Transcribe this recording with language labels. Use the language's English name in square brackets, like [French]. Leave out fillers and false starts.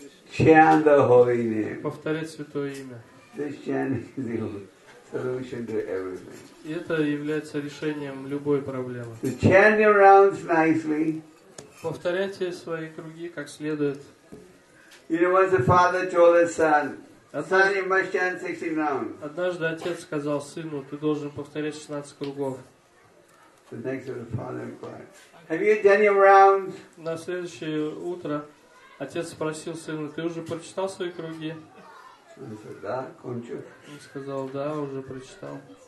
[English] Chant the holy name. [Russian] Повторять святое имя. [English] This chant is the solution to everything. [Russian] И это является решением любой проблемы. [English] So chant your rounds nicely. [Russian] Повторяйте свои круги как следует. [English] You know, once the father told his son, son, you must chant 16 rounds. [Russian] Однажды отец сказал сыну, ты должен повторять 16 кругов. [English] The next day the father inquired. Have you done your rounds? [Russian] На следующее утро отец спросил сына, ты уже прочитал свои круги? Он сказал, да, кончил. Он сказал, да, уже прочитал.